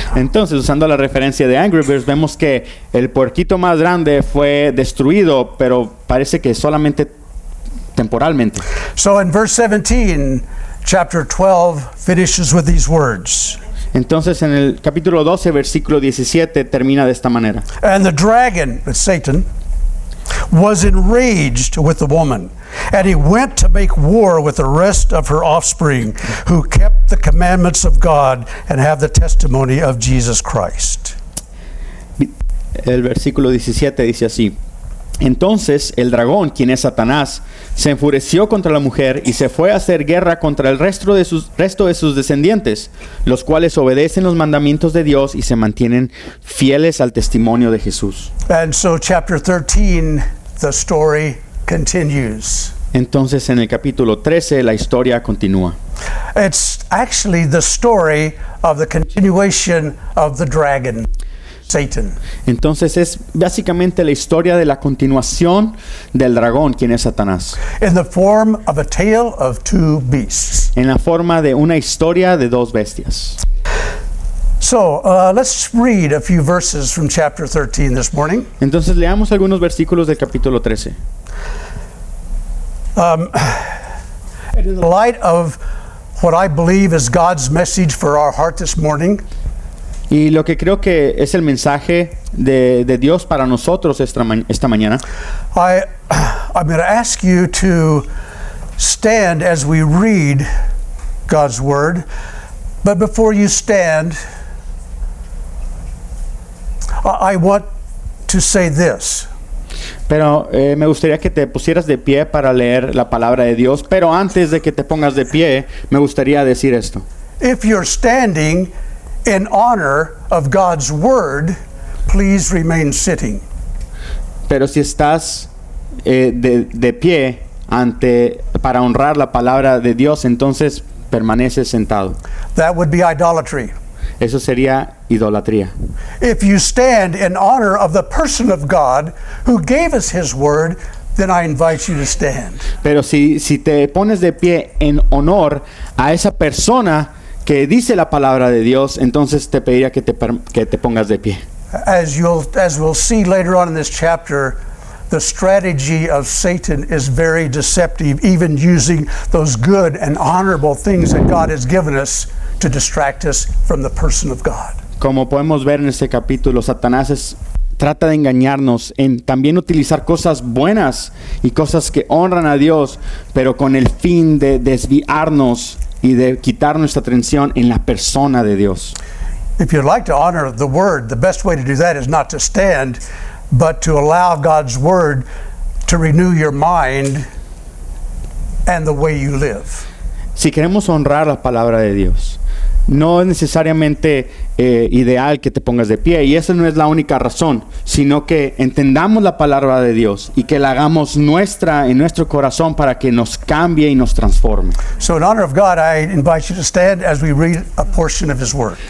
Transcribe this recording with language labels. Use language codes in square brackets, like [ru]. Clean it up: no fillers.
[es] Entonces, usando la referencia de Angry Birds, vemos que el puerquito más grande fue destruido, pero parece que solamente temporalmente. [en] So in verse 17, chapter 12 finishes with these words. [es] Entonces, en el capítulo 12, versículo 17, termina de esta manera. [en] And the dragon, Satan, was enraged with the woman, and he went to make war with the rest of her offspring who kept the commandments of God and have the testimony of Jesus Christ. [es] El versículo 17 dice así: Entonces el dragón, quien es Satanás, se enfureció contra la mujer y se fue a hacer guerra contra el resto de sus descendientes, los cuales obedecen los mandamientos de Dios y se mantienen fieles al testimonio de Jesús. [en] And so chapter 13, the story continues. [es] Entonces en el capítulo 13 la historia continúa. [en] It's actually the story of the continuation of the dragon. Satan. [es] Entonces es básicamente la historia de la continuación del dragón, quien es Satanás. [en] In the form of a tale of two beasts. [es] En la forma de una historia de dos bestias. [en] So, let's read a few verses from chapter 13 this morning. [es] Entonces leamos algunos versículos del capítulo 13. [en] And in the light of what I believe is God's message for our heart this morning. [es] Y lo que creo que es el mensaje de Dios para nosotros esta mañana. [en] I'm going to ask you to stand as we read God's word. But before you stand, I want to say this. [es] Pero me gustaría que te pusieras de pie para leer la palabra de Dios. Pero antes de que te pongas de pie, me gustaría decir esto. [en] If you're standing in honor of God's word, please remain sitting. [es] Pero si estás de pie ante para honrar la palabra de Dios, entonces permanece sentado. [en] That would be idolatry. [es] Eso sería idolatría. [en] If you stand in honor of the person of God who gave us his word, then I invite you to stand. [es] Pero si te pones de pie en honor a esa persona que dice la palabra de Dios, entonces te pediría que te pongas de pie. [en] As we'll see later on in this chapter, the strategy of Satan is very deceptive, even using those good and honorable things that God has given us to distract us from the person of God. [es] Como podemos ver en este capítulo, Satanás trata de engañarnos en también utilizar cosas buenas y cosas que honran a Dios, pero con el fin de desviarnos y de quitar nuestra atención en la persona de Dios. [en] If you'd like to honor the word, the best way to do that is not to stand, but to allow God's word to renew your mind and the way you live. [es] Si queremos honrar la palabra de Dios, no es necesariamente ideal que te pongas de pie, y esa no es la única razón, sino que entendamos la palabra de Dios y que la hagamos nuestra en nuestro corazón para que nos cambie y nos transforme. [en] So in honor of God, I invite you to stand as we read a portion of his word.